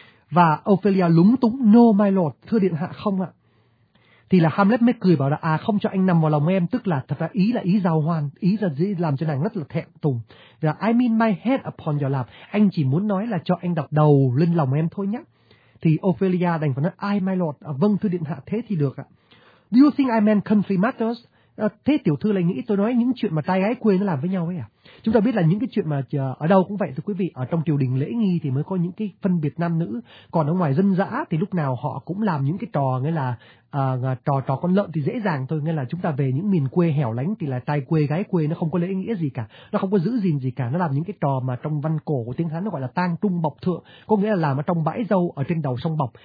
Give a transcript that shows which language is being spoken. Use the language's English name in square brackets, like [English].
[Vietnamese] Và Ophelia lúng túng, [English] no my lord, [Vietnamese] thưa điện hạ không ạ. Thì là Hamlet mới cười bảo là à không cho anh nằm vào lòng em, tức là thật ra ý là ý giao hoan, ý là dễ làm cho nàng rất là thẹn thùng. Là [English] I mean my head upon your lap, [Vietnamese] anh chỉ muốn nói là cho anh đặt đầu lên lòng em thôi nhé. Thì Ophelia đành phải nói [English] I my lord, [Vietnamese] vâng thưa điện hạ thế thì được ạ. [English] Do you think I meant country matters? [Vietnamese] Thế tiểu thư lại nghĩ tôi nói những chuyện mà trai gái quê nó làm với nhau ấy à? Chúng ta biết là những cái chuyện mà ở đâu cũng vậy thưa quý vị, ở trong triều đình lễ nghi thì mới có những cái phân biệt nam nữ, còn ở ngoài dân dã thì lúc nào họ cũng làm những cái trò, nghĩa là trò con lợn thì dễ dàng thôi, nghĩa là chúng ta về những miền quê hẻo lánh thì là trai quê gái quê, nó không có lễ nghĩa gì cả, nó không có giữ gìn gì cả, nó làm những cái trò mà trong văn cổ của tiếng Hán nó gọi là tang trung bọc thượng, có nghĩa là làm ở trong bãi dâu ở trên đầu sông Bọc.